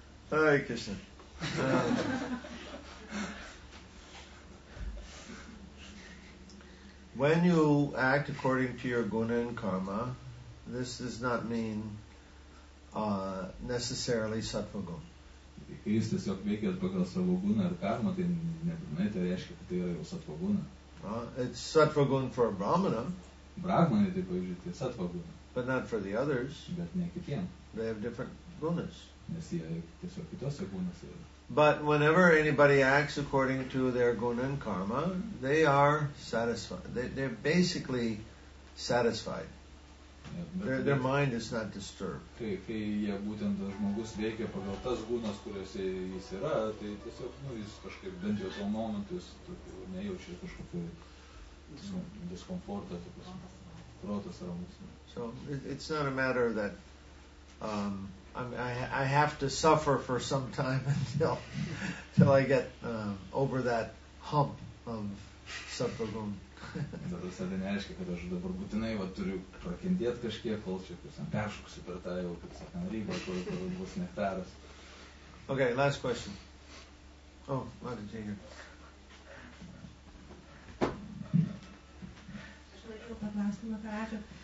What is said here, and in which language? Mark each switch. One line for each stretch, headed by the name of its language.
English: Hare Krishna. When you act according to your guna and karma, this does not mean necessarily sattva guna.
Lithuanian: Kai jis tiesiog veikia pagal savo guną ar karmą, tai nebūtinai tai reiškia, kad tai yra jau sattva guna.
English: It's sattva guna for a brahmana.
Lithuanian: Brahmanai, tai pavyzdžiui, tai sattva guna.
English: But not for the others.
Lithuanian: Bet ne kitiem.
English: They have different gunas.
Lithuanian: Nes jie tiesiog kitose gunose yra.
English: But whenever anybody acts according to their guna and karma, they are satisfied. They're basically satisfied. Their mind is not disturbed.
Lithuanian: Kai jie būtent žmogus veikia pagal tas gunas, kuriuose jis yra, tai tiesiog, nu, jis kažkaip bent jau tuo momentu jis nejaučia kažkokio diskomforto, protas ramus.
English: So it's not a matter that I have to suffer for some time until I get over that hump of suffering.
Lithuanian: Dar visą tai nereiškia, kad aš dabar būtinai turiu prakentėti kažkiek, kol čia peršūksiu per tą jau, kaip sakant, rybą, kur bus nektaras.
English: Ok, last question. Oh, what did you hear?
Lithuanian: Aš norėjau paklausti, Maharadžo.